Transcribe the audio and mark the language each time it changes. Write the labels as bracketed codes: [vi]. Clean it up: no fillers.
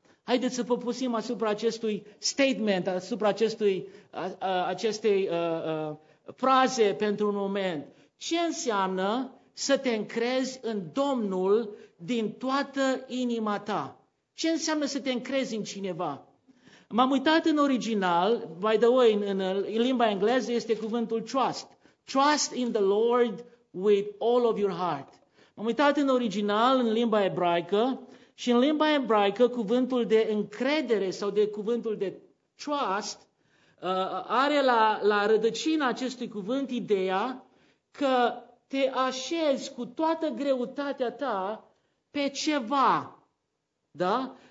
[ro] Haideți să poposim asupra acestui statement, asupra acestei fraze pentru un moment. Ce înseamnă să te încrezi în Domnul din toată inima ta? Ce înseamnă să te încrezi în cineva? M-am uitat în original, [en] by the way, [ro] în limba engleză este cuvântul trust. [en] Trust in the Lord with all of your heart. [ro] M-am uitat în original, în limba ebraică. Și în limba ebraică, cuvântul de încredere sau de cuvântul de trust are la rădăcina acestui cuvânt ideea că te așezi cu toată greutatea ta pe ceva, da?